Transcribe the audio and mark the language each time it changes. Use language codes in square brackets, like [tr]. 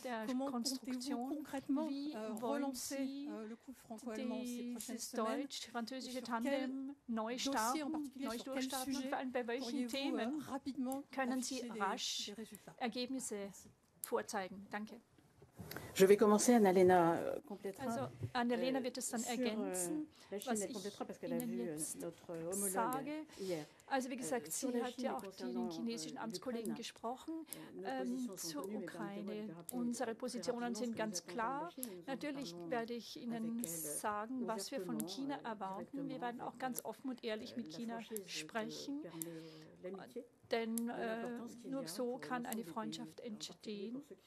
[fr] Comment comptez-vous concrètement relancer le couple franco-allemand ces prochaines semaines? Sur quel dossier, en particulier sur quel sujet, pourriez-vous rapidement afficher des résultats? [de] Ergebnisse vorzeigen. Danke. [fr] Je vais commencer, Annalena complétera. [de] Also, Annalena wird es dann ergänzen. [fr] La Chine, elle complétera parce qu'elle a vu notre homologue hier. [de] Also wie gesagt, sie hat ja auch den chinesischen Amtskollegen gesprochen zur Ukraine. Unsere Positionen sind ganz klar. Natürlich werde ich Ihnen sagen, was wir von China erwarten. Wir werden auch ganz offen und ehrlich mit China sprechen. Denn nur so kann eine Freundschaft entstehen.